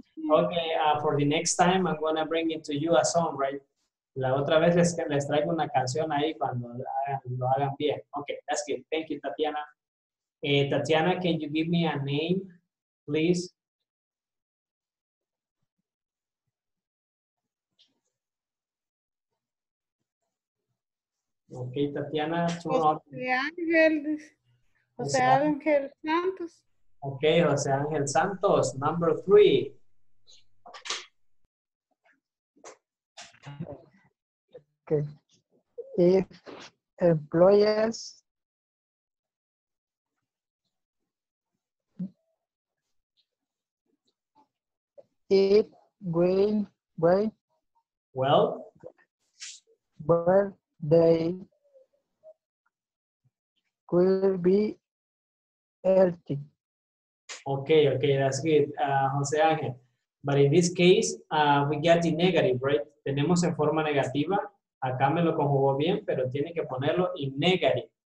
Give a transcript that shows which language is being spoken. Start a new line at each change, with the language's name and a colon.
English: Okay, for the next time, I'm going to bring it to you a song, right?
Spanish: La otra vez les traigo una canción ahí cuando lo hagan bien.
English: Okay, that's good. Thank you, Tatiana. Tatiana, can you give me a name, please? Okay, Tatiana, Jose Ángel Santos. Okay, Jose Ángel Santos, number 3. Okay. If employers eat green way. Well, they will be healthy. Okay, that's good, Jose Ángel. But in this case, we get the negative, right?
Spanish: Tenemos en forma negativa. Acá me lo conjugó bien, pero tiene que ponerlo en negative.